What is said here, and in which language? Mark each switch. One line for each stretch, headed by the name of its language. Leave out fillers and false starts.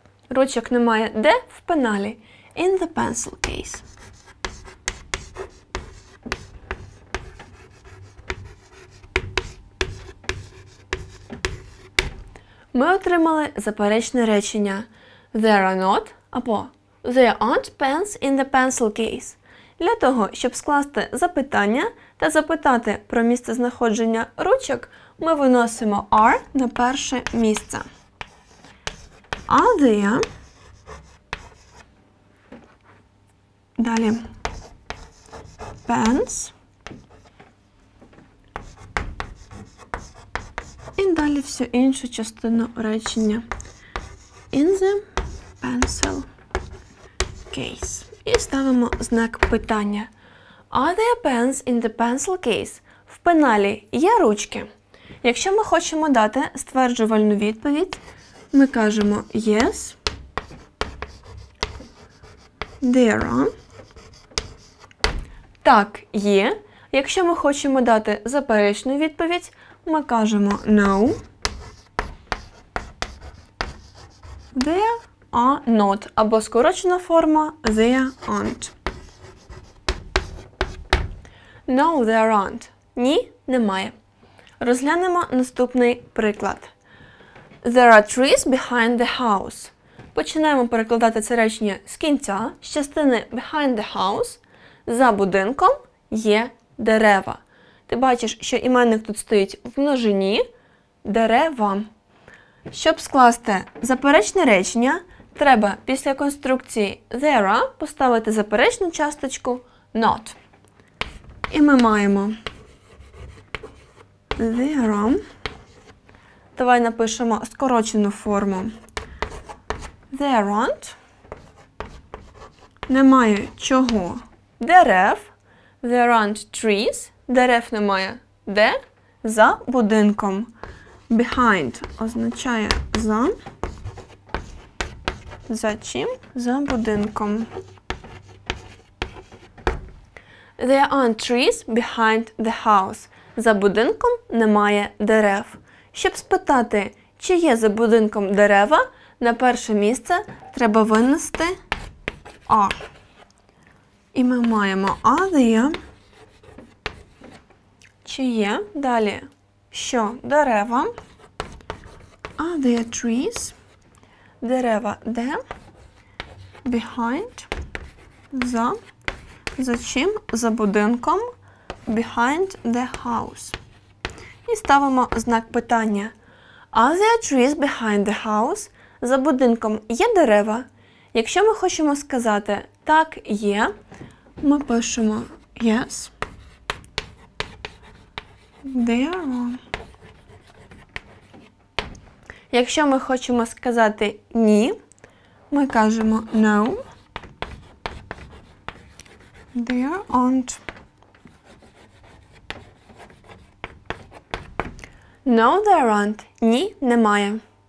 Ukrainian: Ручок немає де? В пеналі.
English: In the pencil case.
Ukrainian: Ми отримали заперечне речення.
English: There are not або there aren't pens in the pencil case.
Ukrainian: Для того, щоб скласти запитання та запитати про місце знаходження ручок, ми виносимо are на перше місце.
English: Are there?
Ukrainian: Далі. Pens. І далі всю іншу частину речення.
English: In the pencil case.
Ukrainian: І ставимо знак питання.
English: Are there pens in the pencil case?
Ukrainian: В пеналі є ручки. Якщо ми хочемо дати стверджувальну відповідь, ми кажемо
English: yes, there are.
Ukrainian: Так, є. Якщо ми хочемо дати заперечну відповідь, ми кажемо
English: no, there are. A not,
Ukrainian: або скорочена форма
English: there aren't. No, there aren't.
Ukrainian: Ні, немає. Розглянемо наступний приклад.
English: There are trees behind the house.
Ukrainian: Починаємо перекладати це речення з кінця, з частини
English: behind the house.
Ukrainian: За будинком є дерева. Ти бачиш, що іменник тут стоїть в множині. Дерева. Щоб скласти заперечне речення, треба після конструкції
English: there are
Ukrainian: поставити заперечну часточку not. І ми маємо
English: there are.
Ukrainian: Давай напишемо скорочену форму.
English: There aren't.
Ukrainian: Немає чого? Дерев.
English: There aren't trees.
Ukrainian: Дерев немає. Де? За будинком. Behind означає за. За чим? За будинком.
English: There aren't trees behind the house.
Ukrainian: За будинком немає дерев. Щоб спитати, чи є за будинком дерева, на перше місце треба винести are. І ми маємо are there. Чи є? Далі. Що? Дерева.
English: Are there trees?
Ukrainian: Дерева де? Behind. За. За чим? За будинком.
English: Behind the house.
Ukrainian: І ставимо знак питання.
English: Are there trees behind the house?
Ukrainian: За будинком є дерева? Якщо ми хочемо сказати так, є, ми пишемо yes.
English: There are.
Ukrainian: Якщо ми хочемо сказати ні, ми кажемо
English: no, there aren't. No, there aren't.
Ukrainian: Ні, немає.